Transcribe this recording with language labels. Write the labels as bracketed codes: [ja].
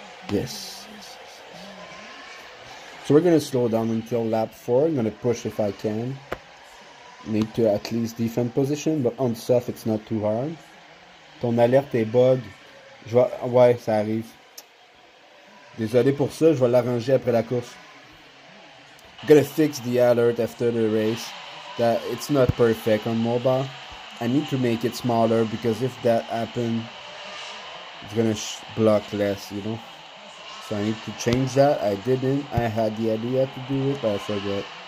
[en] Yes. So we're going to slow down until lap 4. I'm going to push if I can. Need to at least defend position, but on soft it's not too hard. [fr] Ton alerte est bug. Je vais... Ouais, ça arrive. Désolé pour ça, je vais l'arranger après la course. [en] I'm going to fix the alert after the race. That it's not perfect on mobile. I need to make it smaller because if that happens, it's gonna block less, you know. So I need to change that. I didn't. I had the idea to do it, but I forget.